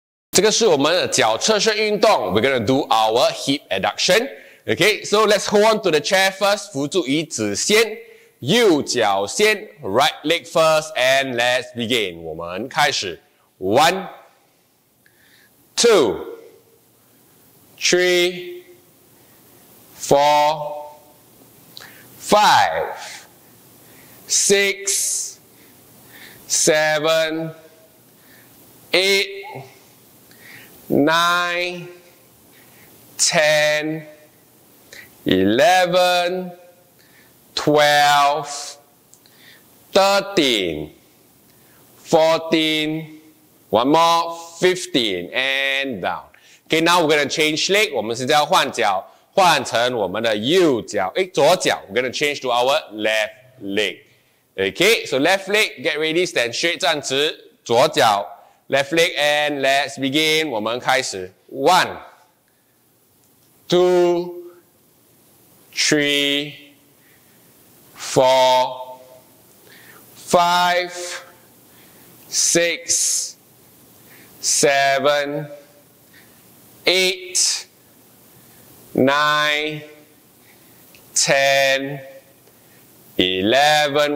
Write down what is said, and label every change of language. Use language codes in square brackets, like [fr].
[zh] 这个是我们的脚侧身运动。 [en] We're gonna do our hip adduction. Okay, so let's hold on to the chair first. [zh] 扶住椅子先，右脚先 [en] ，right leg first, and let's begin. [zh] 我们开始。 [en] One, two, three, four, five, six, seven, eight. Nine, ten, 11, 12, 13, 14, one more, 15, and down. Okay, now we're going to change leg. [zh] 我们现在要换脚，换成我们的右脚，诶，左脚。 [en] We're going to change to our left leg. Okay, so left leg, get ready, stand straight, [zh] 站直，左脚。 [en] Left leg and let's begin. [zh] 我们开始。 [en] One, two, three, four, five, six, seven, eight, nine, ten, 11.